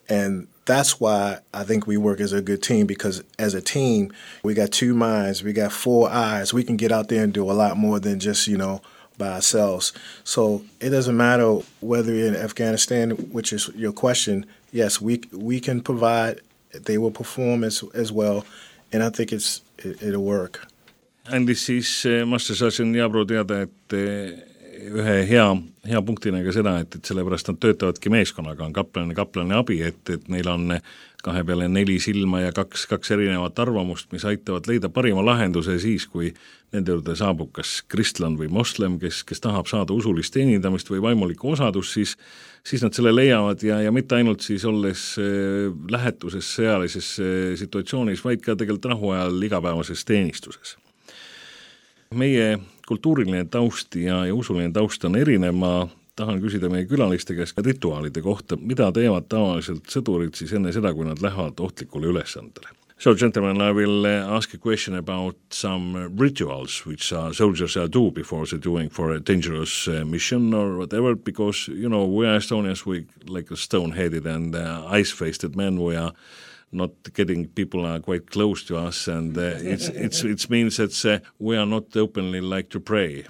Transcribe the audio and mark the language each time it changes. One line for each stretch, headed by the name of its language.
English: And that's why I think we work as a good team, because as a team, we got two minds, we got four eyes. We can get out there and do a lot more than just, by ourselves. So it doesn't matter whether you're in Afghanistan, which is your question. Yes, we can provide, they will perform as well. And I think it'll work. And this is
Estonian: Master Sergeant Jaabrau teada, et ühe hea punktine ka seda, et sellepärast nad töötavadki meeskonnaga, on kaplane abi, et neil on kahe peale neli silma ja kaks erinevat arvamust, mis aitavad leida parima lahenduse siis, kui nende juurde saabub kas kristlan või moslem, kes tahab saada usulist teenindamist või vaimulik osadus, siis nad selle leiavad ja mitte ainult siis olles lähetuses sõjalises situatsioonis, vaid ka tegelikult rahuajal igapäevases teenistuses. Meie kultuuriline taust ja usuline taust on erinev. Ma tahan küsida meie külaliste käest ka rituaalide kohta. Mida teevad tavaliselt sõdurid siis enne seda, kui nad lähevad ohtlikule ülesandele?
English: So, gentlemen, I will ask a question about some rituals which soldiers do before they're doing for a dangerous mission or whatever, because, we are Estonians, we like a stone-headed and ice-faced men, we are not getting people are quite close to us, and it means that we are not openly like to pray.